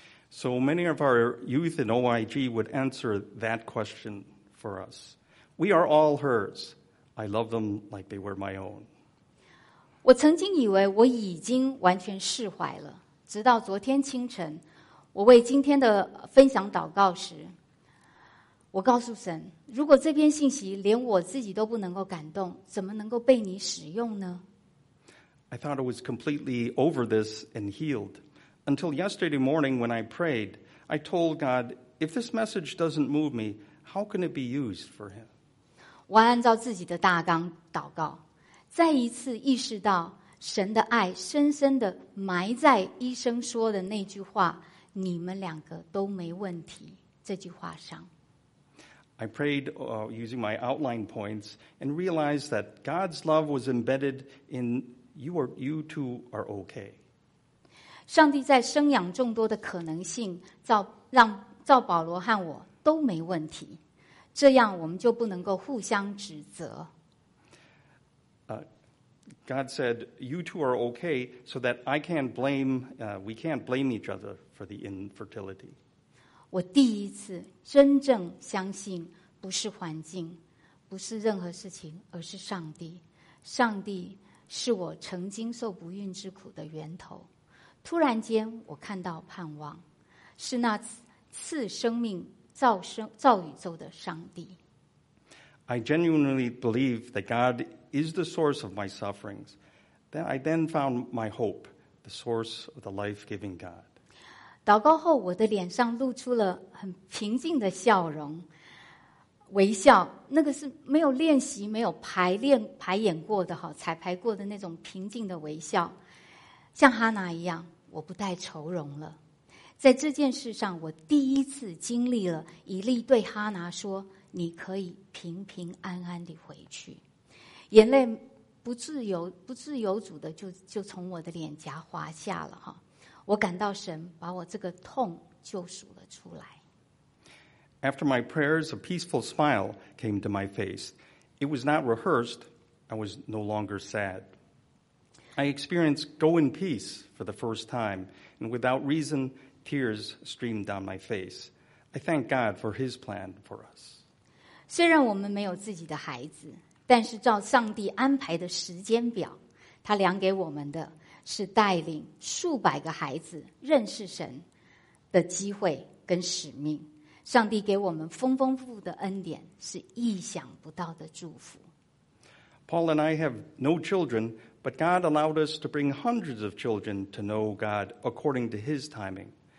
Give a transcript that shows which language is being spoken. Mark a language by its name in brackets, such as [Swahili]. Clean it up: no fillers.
[English] So many of our youth in OIG would answer that question for us. We are all hers. I love them like they were my own. [Chinese] 我曾经以为我已经完全释怀了，直到昨天清晨我为今天的分享祷告时，我告诉神，如果这篇信息连我自己都不能够感动，怎么能够被你使用呢？ [English] I thought I was completely over this and healed. Until yesterday morning when I prayed, I told God, if this message doesn't move me, how can it be used for him? [Chinese] 我按照自己的大纲祷告，再一次意识到神的爱深深地埋在医生说的那句话，你们两个都没问题，这句话上。 [English] I prayed using my outline points and realized that God's love was embedded in you two are okay. [Chinese] 上帝在生养众多的可能性，造保罗和我都没问题，这样我们就不能够互相指责。 [English] God said you two are okay, so that I can't blame we can't blame each other for the infertility. [Chinese] 我第一次真正相信。不是环境，不是任何事情，而是上帝。上帝是我曾经受不孕之苦的源头。突然间，我看到盼望，是那赐生命造宇宙的上帝。 [English] I genuinely believe that God is the source of my sufferings. Then I then found my hope, the source of the life-giving God. [Chinese] 祷告后，我的脸上露出了很平静的笑容。微笑，那个是没有练习、没有排练、排演过的哈，彩排过的那种平静的微笑，像哈娜一样，我不带愁容了。在这件事上，我第一次经历了以利对哈娜说：“你可以平平安安地回去。” 眼泪不自由主的就从我的脸颊滑下了哈，我感到神把我这个痛救赎了出来。 [English] After my prayers, a peaceful smile came to my face. It was not rehearsed. I was no longer sad. I experienced go in peace for the first time, and without reason, tears streamed down my face. I thank God for His plan for us. [Chinese] 虽然我们没有自己的孩子，但是照上帝安排的时间表，他量给我们的是带领数百个孩子认识神的机会跟使命。上帝给我们丰丰富的恩典，是意想不到的祝福。 [English] Paul and I have no children, but God allowed us to bring hundreds of children to know God according to His timing.